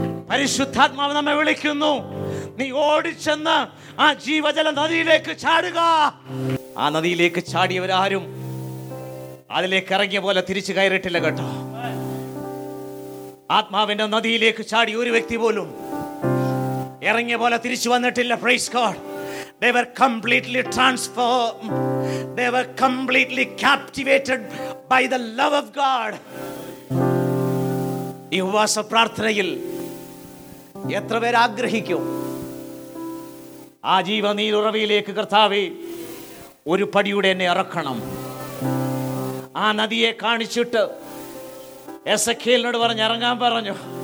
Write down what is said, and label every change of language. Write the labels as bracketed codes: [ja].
[ml] പരിശുദ്ധാത്മാവ് നമ്മെ വിളിക്കുന്നു, നീ ഓടിച്ചെന്ന് ആ ജീവജല നദിയിലേക്ക് ചാടുക. ആ നദിയിലേക്ക് ചാടിയവരാരും അതിലേക്ക് ഇറങ്ങിയ പോലെ തിരിച്ചു കയറിയിട്ടില്ല കേട്ടോ. ആത്മാവിന്റെ നദിയിലേക്ക് ചാടിയ ഒരു വ്യക്തി പോലും ഇറങ്ങിയ പോലെ തിരിച്ചു വന്നിട്ടില്ല. Praise God. [en] They were completely transformed. They were completely captivated by the love of God. [ml] ഈ ഉപവാസ പ്രാർത്ഥനയിൽ എത്ര പേർ ആഗ്രഹിക്കും? ആ ജീവ നീരുറവിയിലേക്ക് കർത്താവേ ഒരു പടിയുടെ എന്നെ ഇറക്കണം. ആ നദിയെ കാണിച്ചിട്ട് എസക്കിയലിനോട് പറഞ്ഞ് ഇറങ്ങാൻ പറഞ്ഞു.